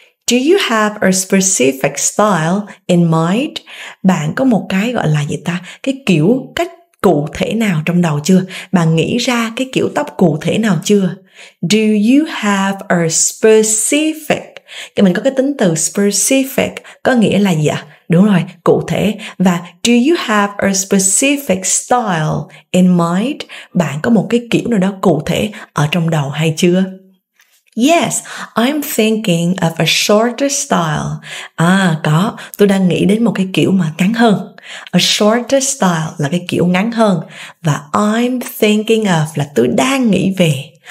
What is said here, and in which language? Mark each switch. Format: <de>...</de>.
<en>Do you have a specific style in mind?</en> <vi>Bạn có một cái gọi là gì ta? Cái kiểu cách cụ thể nào trong đầu chưa? Bạn nghĩ ra cái kiểu tóc cụ thể nào chưa?</vi> <en>Do you have a specific?</en> <vi>Cái mình có cái tính từ specific có nghĩa là gì ạ? Đúng rồi, cụ thể.</vi> <en>Và do you have a specific style in mind?</en> <vi>Bạn có một cái kiểu nào đó cụ thể ở trong đầu hay chưa?</vi> <en>Yes, I'm thinking of a shorter style.</en> <vi>À, có, tôi đang nghĩ đến một cái kiểu mà ngắn hơn.</vi> <en>A shorter style</en> <vi>là cái kiểu ngắn hơn. Và</vi> <en>I'm thinking of</en> <vi>là tôi đang nghĩ về.</vi>